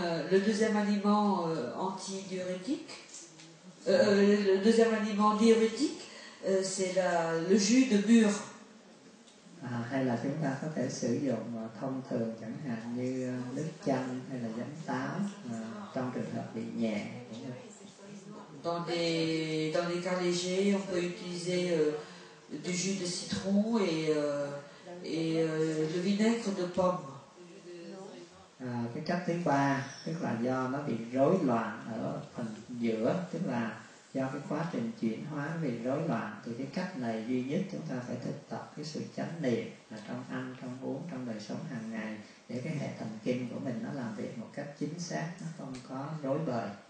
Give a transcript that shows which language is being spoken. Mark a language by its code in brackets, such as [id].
[fr] Le deuxième aliment antidiurétique, le deuxième aliment diurétique, c'est le jus de mûre. [vi] Hay là chúng ta có thể sử dụng thông thường chẳng hạn như nước chanh hay là giấm táo trong trường hợp bị nhẹ. [fr] Dans les cas légers, on peut utiliser du jus de citron et le vinaigre de pomme. [vi] Cái cách thứ ba tức là do nó bị rối loạn ở phần giữa, tức là do cái quá trình chuyển hóa bị rối loạn, từ cái cách này duy nhất chúng ta phải thực tập cái sự chánh niệm là trong ăn, trong uống, trong đời sống hàng ngày, để cái hệ thần kinh của mình nó làm việc một cách chính xác, nó không có rối bời.